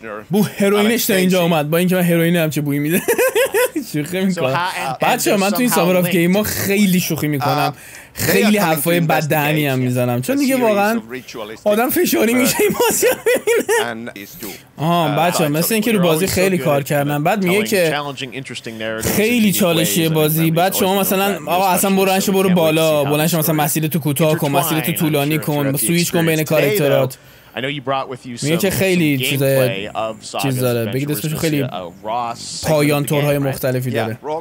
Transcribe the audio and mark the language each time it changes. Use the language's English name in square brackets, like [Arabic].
[Persian] بو هروینش تا اینجا اومد، با اینکه من هروینه هم چه بویی میده. شوخی میکنم بچه ها، من تو این سامر آف گیم ها خیلی شوخی میکنم، خیلی حرفای بددهنی هم میزنم چون دیگه واقعا آدم فشاری میشه این بازی ها میبینه. آه بچه ها، مثل اینکه رو بازی خیلی کار کردن. بعد میگه که خیلی چالشی بازی، بعد شما مثلا آقا اصلا برنشو برو بالا، برنشو مثلا مسیرتو تو کوتاه کن، مسیرتو طولانی کن، سویچ کن بین کاراکترات. [English] I know you brought with you some gameplay of Saga's Adventures. [Persian] چیز داره. بگید اسمشو، خیلی پایان تورهای مختلفی داره.